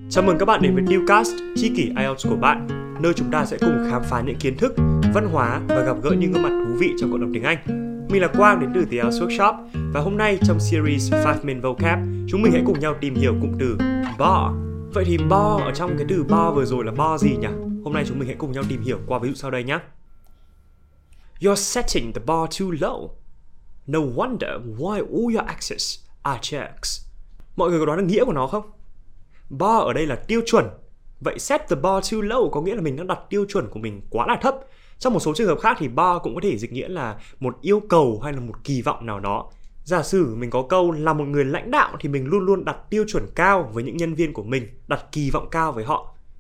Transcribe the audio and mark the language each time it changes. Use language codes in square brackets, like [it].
[vi] Chào mừng các bạn đến với Dealcast, tri kỷ IELTS của bạn, nơi chúng ta sẽ cùng khám phá những kiến thức, văn hóa và gặp gỡ những gương mặt thú vị trong cộng đồng tiếng Anh. Mình là Quang đến từ The IELTS Workshop và hôm nay trong series 5 Minute Vocab, chúng mình hãy cùng nhau tìm hiểu cụm từ bore. Vậy thì bore ở trong cái từ bore vừa rồi là bore gì nhỉ? Hôm nay chúng mình hãy cùng nhau tìm hiểu qua ví dụ sau đây nhé. [en] You're setting the bar too low. No wonder why all your exes are jerks. [vi] Mọi người có đoán được nghĩa của nó không? Bar ở đây là tiêu chuẩn. Vậy [en] set the bar too low [vi] có nghĩa là mình đang đặt tiêu chuẩn của mình quá là thấp. Trong một số trường hợp khác thì bar cũng có thể dịch nghĩa là một yêu cầu hay là một kỳ vọng nào đó. Giả sử mình có câu là một người lãnh đạo thì mình luôn luôn đặt tiêu chuẩn cao với những nhân viên của mình, đặt kỳ vọng cao với họ.